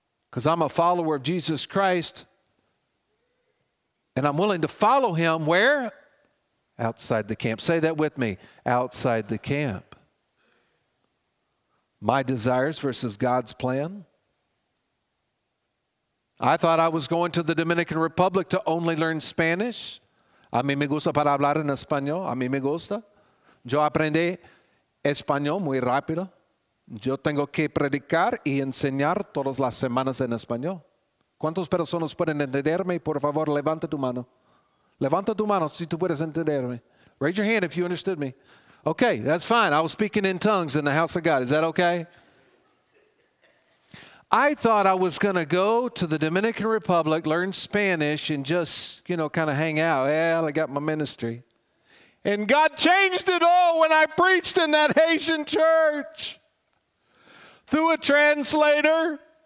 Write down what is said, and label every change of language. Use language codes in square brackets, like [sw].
[en] Because I'm a follower of Jesus Christ. And I'm willing to follow him where? Outside the camp. Say that with me. Outside the camp. My desires versus God's plan. I thought I was going to the Dominican Republic to only learn Spanish. [es] A mí me gusta para hablar en español. A mí me gusta. Yo aprendí español muy rápido. Yo tengo que predicar y enseñar todas las semanas en español. ¿Cuántas personas pueden entenderme? Por favor, levanta tu mano. Levanta tu mano si tú puedes entenderme. [en] Raise your hand if you understood me. Okay, that's fine. I was speaking in tongues in the house of God. Is that okay? I thought I was going to go to the Dominican Republic, learn Spanish, and just, you know, kind of hang out. Well, I got my ministry. And God changed it all when I preached in that Haitian church through a translator.